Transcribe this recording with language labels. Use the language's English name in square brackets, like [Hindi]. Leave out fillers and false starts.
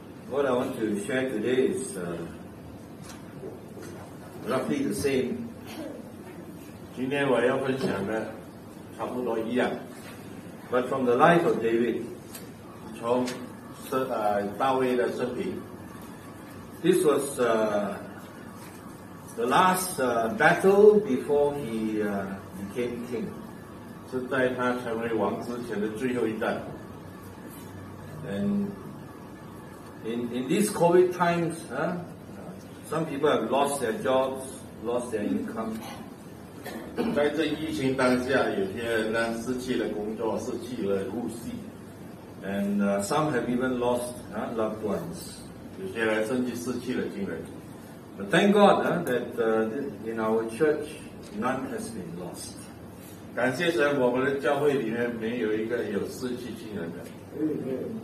[English] What I want to share today is roughly the same. [Chinese] 今天我要分享的差不多一样 [English] ，but from the life of David, [Chinese] 从大卫的生平。 [English] This was the last battle before he became king. [Chinese] 是在他成为王之前的最后一战。 [English] And in these COVID times, some people have lost their jobs, lost their income. [Chinese] 在这疫情当下，有些人失去了工作，失去了呼吸 ， [English] and some have even lost loved ones。 [Chinese] 有些人甚至失去了亲人。 [English] But thank God that in our church none has been lost。 [Chinese] 感谢神，我们的教会里面没有一个有失去亲人的。